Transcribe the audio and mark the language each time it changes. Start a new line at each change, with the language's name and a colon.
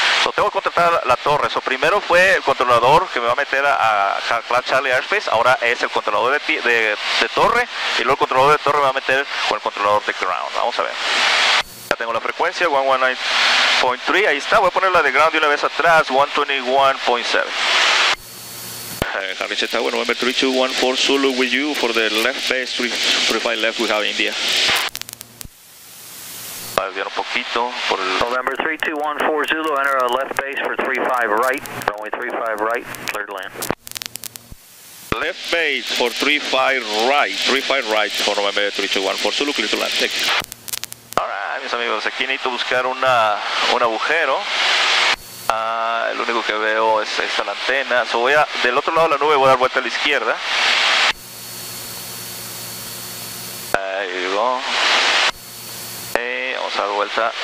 Spanish: So, tengo que contratar la torre. So, primero fue el controlador que me va a meter a Clark Charlie Airspace, ahora es el controlador de torre, y luego el controlador de torre me va a meter con el controlador de ground. Vamos a ver. Ya tengo la frecuencia, 119.3, ahí está, voy a poner la de ground de una vez atrás, 121.7.
English: Harlingen Tower, November 3214 Zulu with you for the left base, 35 left we have India.
Spanish: Va a desviar un poquito por el...
English: November 3214 Zulu, enter a left base for 35 right, runway 35 right, cleared land. Left base for 35 right, 35 right for November 3214 Zulu, clear to land, thank you.
Spanish: Mis amigos, aquí necesito buscar un agujero. Lo único que veo es esta, la antena. So voy a, del otro lado de la nube voy a dar vuelta a la izquierda. Ahí digo. Vamos a dar vuelta.